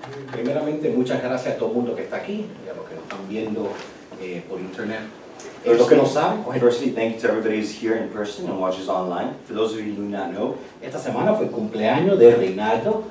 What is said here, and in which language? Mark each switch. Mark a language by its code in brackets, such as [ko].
[es] Primeramente, muchas gracias a todo el mundo que está aquí y a los que nos están viendo por internet. [en] For those who don't know, firstly, thank you to everybody who's here in person and watches online. For those of you who do not know, [es] esta semana fue cumpleaños de Reinaldo.